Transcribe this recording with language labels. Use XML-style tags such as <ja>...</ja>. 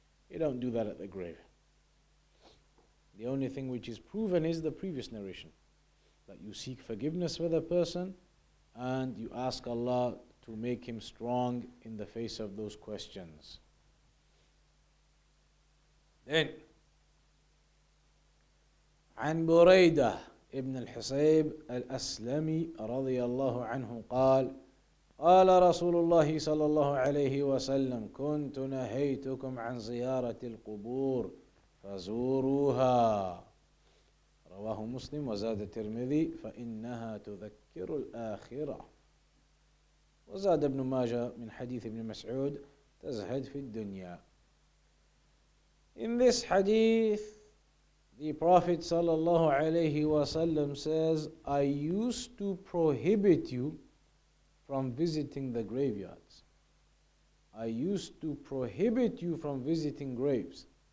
<en>You don't do that at the grave. The only thing which is proven is the previous narration, that you seek forgiveness for the person and you ask Allah to make him strong in the face of those questions.</en> <ar>Then, عن بريدة ابن الحصيب الأسلمي رضي الله عنه قال قال رسول الله صلى الله عليه وسلم كنت نهيتكم عن زيارة القبور فزوروها رواه مسلم وزاد الترمذي فإنها تذكر الآخرة. وزاد ابن ماجة من حديث ابن مسعود تزهد في الدنيا.</ar> <en>In this hadith, the Prophet sallallahu alayhi wa sallam says, I used to prohibit you from visiting the graveyards. I used to prohibit you from visiting graves.</en>